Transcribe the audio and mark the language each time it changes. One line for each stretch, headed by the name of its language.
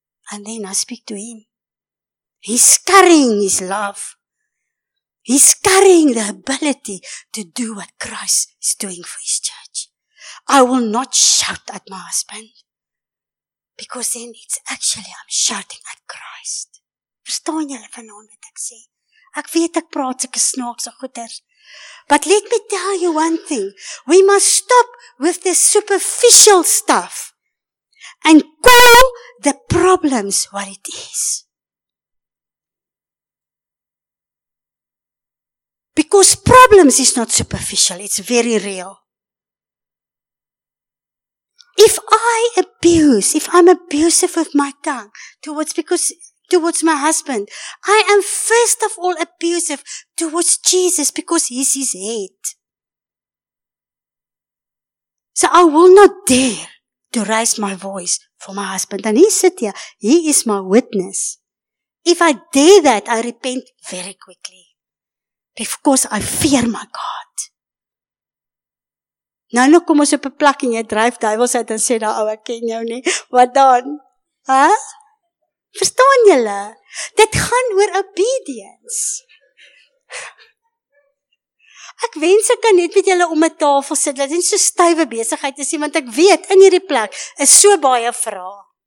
English: And then I speak to Him. He's carrying His love. He's carrying the ability to do what Christ is doing for His church. I will not shout at my husband. Because then it's actually I'm shouting at Christ.
Afrikaans: Verstaan julle vanaand wat ek sê? Ek weet ek praat sulke snaakse goeters.
English: But let me tell you one thing. We must stop with this superficial stuff and call the problems what it is. Because problems is not superficial, it's very real. If I abuse, if I'm abusive with my tongue towards my husband, I am first of all abusive towards Jesus because He's His head. So I will not dare to raise my voice for my husband. And He sit here, He is my witness. If I dare that, I repent very quickly. Because I fear my God.
Afrikaans: Nou nou kom ons op 'n plek en jy dryf duivels uit en sê daai ou ek ken jou nie. Wat dan? Hè? Verstaan julle? Dit gaan oor obedience. Ek wens ek kan net met julle om 'n tafel sit, dat dit so stywe besigheid is nie, want ek weet, in hierdie plek is so baie vrae.